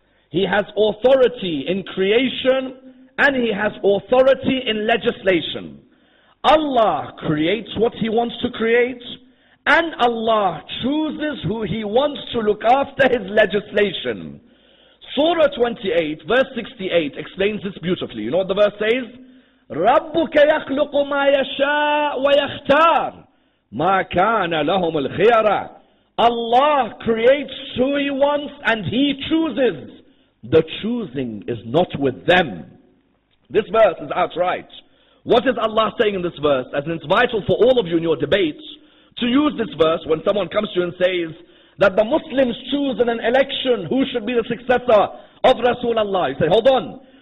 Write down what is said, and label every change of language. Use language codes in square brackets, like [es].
[en] He has authority in creation and he has authority in legislation. Allah creates what He wants to create, and Allah chooses who He wants to look after His legislation. Surah 28, verse 68, explains this beautifully. You know what the verse says? [ar] رَبُّكَ يَخْلُقُ مَا يَشَاءُ وَيَخْتَارُ مَا كَانَ لَهُمُ الْخِيَرَةُ [en] Allah creates who He wants and He chooses. The choosing is not with them. This verse is outright. What is Allah saying in this verse? As it's vital for all of you in your debates to use this verse when someone comes to you and says that the Muslims choose in an election who should be the successor of Rasulullah. You say, hold on.